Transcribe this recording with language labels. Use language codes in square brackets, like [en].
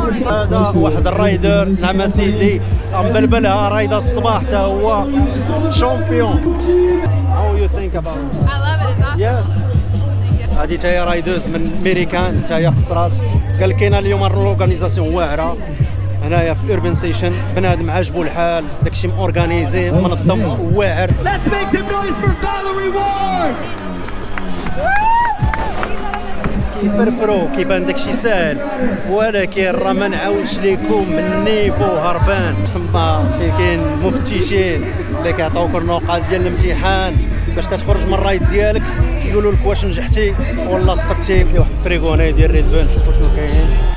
[ar] هذا واحد الرايدر نعم سيدي مبلبلها رايدر الصباح حتى هو شامبيون. [en] How you think about it? I love it, it's awesome. Yeah. [ar] هادي تاهي راهي دوز من ميريكان تاهي قصرات. قال كاينه اليوم الاورغانيزاسيون واعره هنايا في اوربن سيشن، بنادم عاجبو الحال، داكشي مورغانيزي منظم واعر. [en] Let's make some noise for Valerie Ward. [ar] كيفرفرو كيبان داكشي ساهل، ولكن راه ما نعاودش ليكم مني بو هربان تما كاين مفتشين اللي كيعطيوك النقاط ديال الامتحان باش كتخرج من الرايد ديالك، يقولوا لك واش نجحتي ولا سقطتي في واحد الفريغوني ديال ريد بول. شوفوا شنو كاين.